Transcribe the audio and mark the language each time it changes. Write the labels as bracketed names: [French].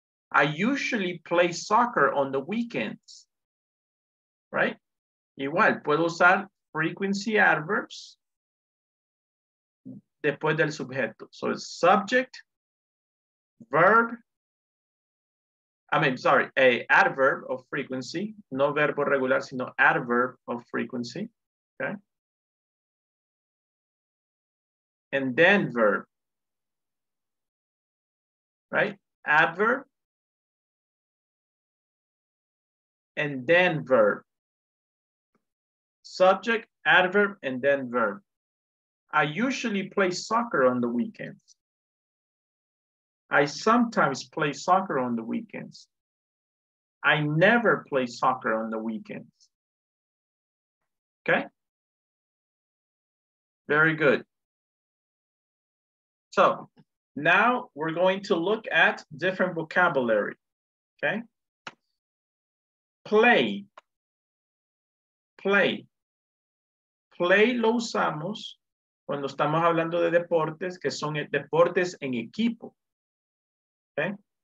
[English] I usually play soccer on the weekends, right? [Spanish] Igual, puedo usar frequency adverbs después del sujeto. [English] So it's subject, verb, I mean, sorry, a adverb of frequency, [Spanish] no verbo regular, sino [English] adverb of frequency, okay? And then verb, right? Adverb. And then verb. Subject, adverb, and then verb. I usually play soccer on the weekends. I sometimes play soccer on the weekends. I never play soccer on the weekends. Okay? Very good. So now we're going to look at different vocabulary. Okay? [Spanish] Play, play, play lo usamos cuando estamos hablando de deportes que son deportes en equipo, okay?